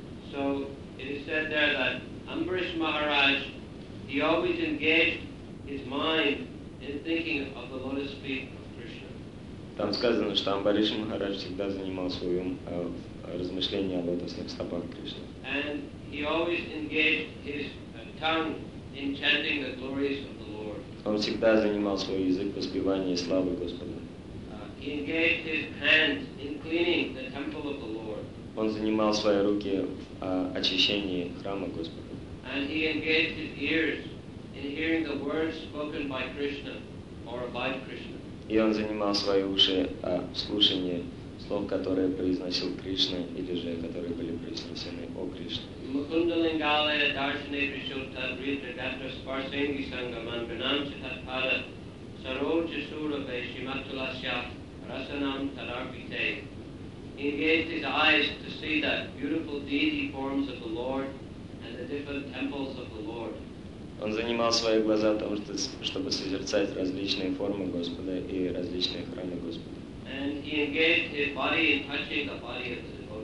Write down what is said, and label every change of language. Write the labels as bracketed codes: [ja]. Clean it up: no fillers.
[en] So it is said there that Ambarish Maharaj, he always engaged his mind in thinking of the lotus feet of Krishna. [ru] Там сказано, что Амбариш Махарадж всегда занимал свой ум в размышлении о лотосных стопах Кришны. [en] And he always engaged his in chanting the glories of the Lord. [ru] Он всегда занимал свой язык в воспевании славы Господа. [en] He engaged his hands in cleaning the temple of the Lord. [ru] Он занимал свои руки в очищении храма Господа. [en] And he engaged his ears in hearing the words spoken by Krishna or about Krishna. [ru] И он занимал свои уши в слушании слов, которые произносил Кришна или же которые были произнесены о Кришне. [sa] Mukundalingalaya Darshane Prishutta Vritra Datra Sparsengi Sangaman Vinam Chitat Pada Saroja Sura Veshimatulasya Rasanam Tadarpite. [en] He engaged his eyes to see the beautiful deity forms of the Lord and the different temples of the Lord. [ru] Он занимал свои глаза о том, чтобы созерцать различные формы Господа и различные храмы Господа. [en] And he engaged his body in touching the body of the